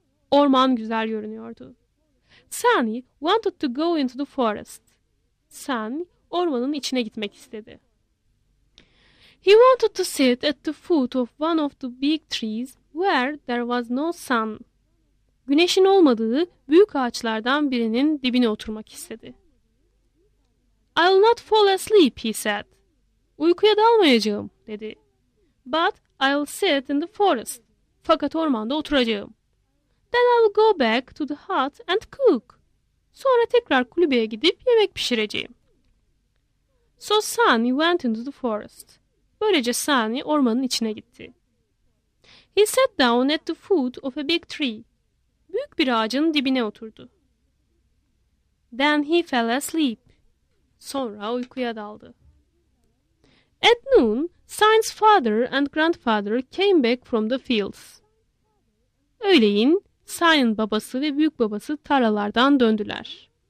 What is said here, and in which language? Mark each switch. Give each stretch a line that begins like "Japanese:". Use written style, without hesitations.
Turkish: Orman güzel görünüyordu.
English: Sunny wanted to go into the forest.
Turkish: Sunny ormanın içine gitmek istedi.
English: He wanted to sit at the foot of one of the big trees where there was no sun.
Turkish: Güneşin olmadığı büyük ağaçlardan birinin dibine oturmak istedi.
English: I'll not fall asleep, he said.
Turkish: Uykuya dalmayacağım, dedi.
English: But I'll sit in the forest.
Turkish: Fakat ormanda oturacağım.
English: Then I'll go back to the hut and cook.
Turkish: Sonra tekrar kulübeye gidip yemek pişireceğim.
English: So Sunny went into the forest.
Turkish: Böylece Sunny ormanın içine gitti.
English: He sat down at the foot of a big tree.
Turkish: Büyük bir ağacın dibine oturdu.
English: Then he fell asleep.
Turkish: Sonra uykuya daldı.
English: At noon, Sunny's father and grandfather came back from the fields.
Turkish: Öğleyin, Sunny'ın babası ve büyük babası tarlalardan döndüler.